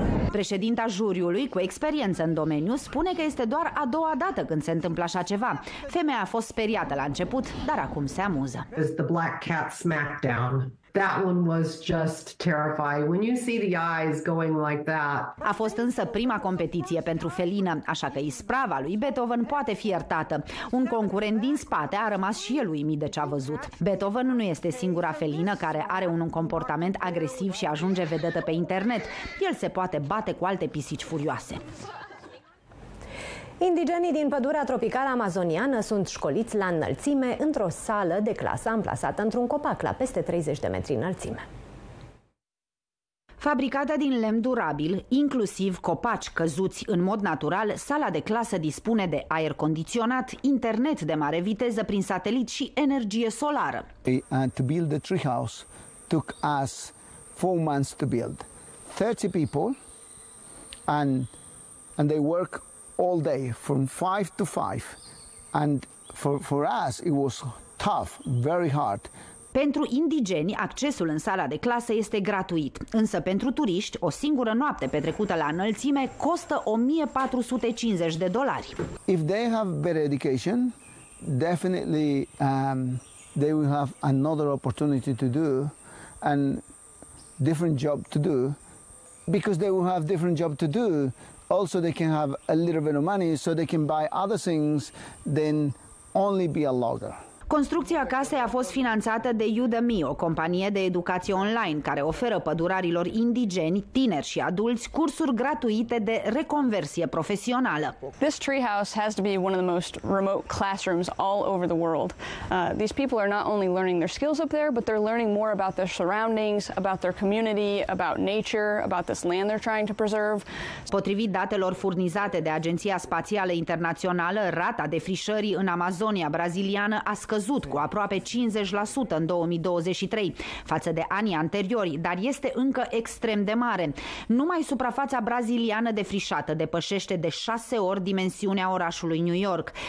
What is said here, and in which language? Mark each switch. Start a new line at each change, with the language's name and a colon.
Romanian: Președinta juriului, cu experiență în domeniu, spune că este doar a doua dată când se întâmplă așa ceva. Femeia a fost speriată la început, dar acum se amuză.
English: The black cat smackdown. That one was just terrifying. When you see the eyes going like that.
Romanian: A fost însă prima competiție pentru felină, așa că isprava lui Beethoven poate fi iertată. Un concurent din spate a rămas și el uimit de ce a văzut. Beethoven nu este singura felină care are un comportament agresiv și ajunge vedetă pe internet. El se poate bate cu alte pisici furioase. Indigenii din pădurea tropicală amazoniană sunt școliți la înălțime într-o sală de clasă amplasată într-un copac la peste 30 de metri înălțime. Fabricată din lemn durabil, inclusiv copaci căzuți în mod natural, sala de clasă dispune de aer condiționat, internet de mare viteză prin satelit și energie solară.
English: To build the treehouse took us 4 months to build. 30 people and they work all day from 5 to 5. And for us it was tough, very hard.
Romanian: Pentru indigeni, accesul în sala de clasă este gratuit, însă pentru turiști, o singură noapte petrecută la înălțime costă $1,450.
English: If they have better education, definitely they will have another opportunity to do and different job to do, because they will have different job to do, also they can have a little bit of money so they can buy other things than only be a logger.
Romanian: Construcția casei a fost finanțată de Udemy, o companie de educație online care oferă pădurarilor indigeni, tineri și adulți cursuri gratuite de reconversie profesională.
English: This treehouse has to be one of the most remote classrooms all over the world. These people are not only learning their skills up there, but they're learning more about their surroundings, about their community, about nature, about this land they're trying to preserve.
Romanian: Potrivit datelor furnizate de Agenția Spațială Internațională, rata defrișării în Amazonia braziliană a scăzut cu aproape 50% în 2023 față de anii anteriori, dar este încă extrem de mare. Numai suprafața braziliană defrișată depășește de 6 ori dimensiunea orașului New York.